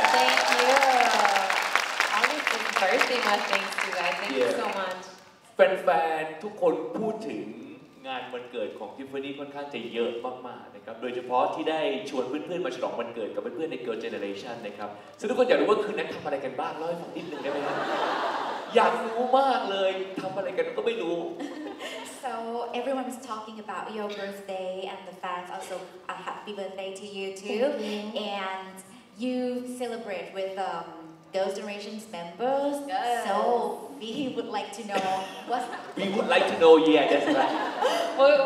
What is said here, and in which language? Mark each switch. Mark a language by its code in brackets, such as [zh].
[en] thank you honestly birthday much thanks to you guys thank you so much [th] แฟนๆทุกคนพูดถึงงานวันเกิดของทิฟฟานี่ค่อนข้างจะเยอะมากๆนะครับโดยเฉพาะที่ได้ชวนเพื่อนๆมาฉลองวันเกิดกับเพื่อนๆในเกิร์ลเจเนเรชันนะครับซึ่งทุกคนอยากรู้ว่าคืนนั้นทำอะไรกันบ้างเล่าให้ฟังนิดนึงได้ไหมครับ อยากรู้มากเลยทำอะไรกันก็ไม่รู้ [en] So everyone was talking about your birthday and the fans also a happy birthday to you too and you celebrate with Girls' Generation's members. Yes. So we would like to know what. We would like to know. Yeah, that's right.